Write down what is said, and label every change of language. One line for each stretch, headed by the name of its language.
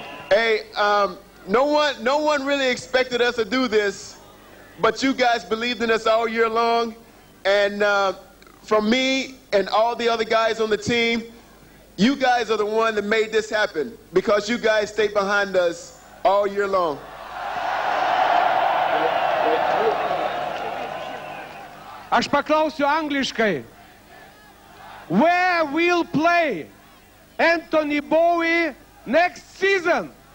English: Hey, no one really expected us to do this, but you guys believed in us all year long. And from me and all the other guys on the team, you guys are the one that made this happen, because you guys stayed behind us all year long.
Lithuanian: Aš paklausiu angliškai.
English: Where will play Anthony Bowie next season?